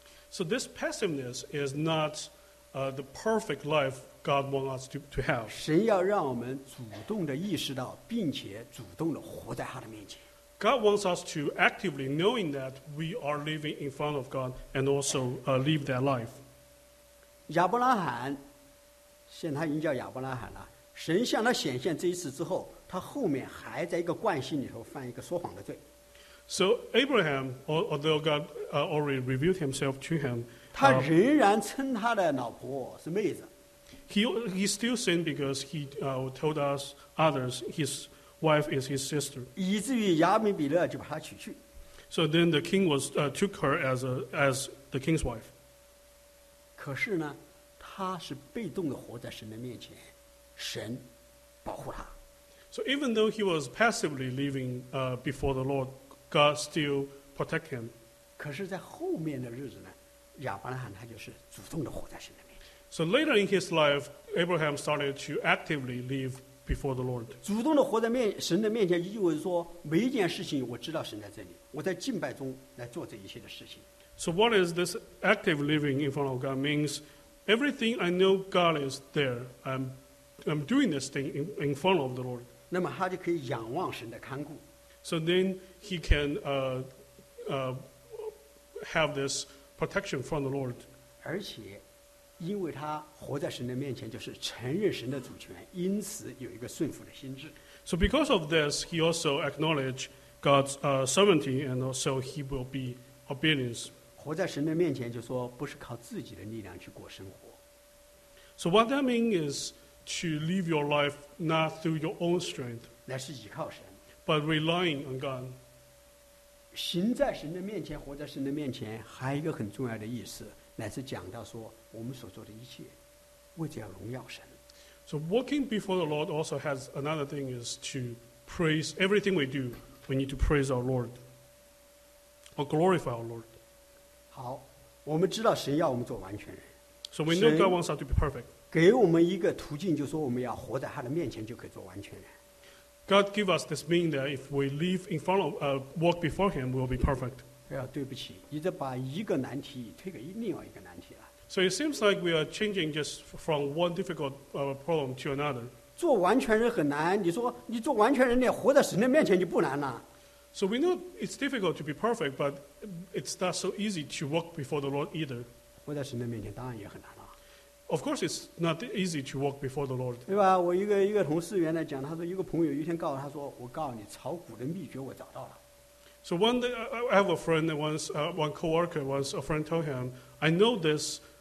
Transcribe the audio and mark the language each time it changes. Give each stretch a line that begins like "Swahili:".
English: So this passiveness is not the perfect life God wants us to have.
Chinese: 神要让我们主动地意识到, 并且主动地活在他的面前。
English: God wants us to actively knowing that we are living in front of God and also live that life.
Chinese: 亚伯拉罕, 现在他已经叫亚伯拉罕了, 神向他显现这一次之后, 他后面还在一个惯性里头犯一个说谎的罪。
English: So Abraham, although God already revealed himself to him,
Chinese: 他仍然称他的老婆是妹子。
English: He still sinned because he told others his wife is his sister.
Chinese: 以至于亚米比勒就把她娶去。
English: So then the king was, took her as, a, as the king's wife.
Chinese: 可是呢，她是被动地活在神的面前，神保护她。
English: So even though he was passively living before the Lord, God still protect him.
Chinese: 可是在后面的日子呢，亚伯拉罕他就是主动地活在神的面前。
English: So later in his life, Abraham started to actively live before the Lord.
Chinese: 主动地活在面神的面前，意味着说每一件事情我知道神在这里，我在敬拜中来做这一切的事情。
English: So what is this active living in front of God means? Everything I know God is there. I'm doing this thing in front of the Lord.
Chinese: 那么他就可以仰望神的看顾。
English: So then he can have this protection from the Lord.
Chinese: 而且因为他活在神的面前，就是承认神的主权，因此有一个顺服的心智。
English: So because of this, he also acknowledged God's sovereignty, and also he will be obedient.
Chinese: 活在神的面前，就说不是靠自己的力量去过生活。
English: So what that means is to live your life not through your own strength,
Chinese: 乃是依靠神
English: but relying on God.
Chinese: 行在神的面前，活在神的面前，还有一个很重要的意思，乃是讲到说我们所做的一切为着要荣耀神。
English: So walking before the Lord also has another thing is to praise everything we do. We need to praise our Lord or glorify our Lord.
Chinese: 好，我们知道神要我们做完全人。
English: So we know God wants us to be perfect.
Chinese: 给我们一个途径，就说我们要活在他的面前就可以做完全人。
English: God give us this meaning that if we live in front of, walk before him, we'll be perfect.
Chinese: 对不起，你这把一个难题推给另外一个难题了。
English: So it seems like we are changing just from one difficult problem to another.
Chinese: 做完全人很难，你说你做完全人，你活在神的面前就不难了。
English: So we know it's difficult to be perfect, but it's not so easy to walk before the Lord either.
Chinese: 活在神的面前当然也很难了。
English: Of course, it's not easy to walk before the Lord.
Chinese: 对吧？我一个同事原来讲，他说一个朋友有一天告诉他说：“我告诉你，炒股的秘诀我找到了。”
English: So one day, I have a friend once, one coworker once, a friend told him, "I know this."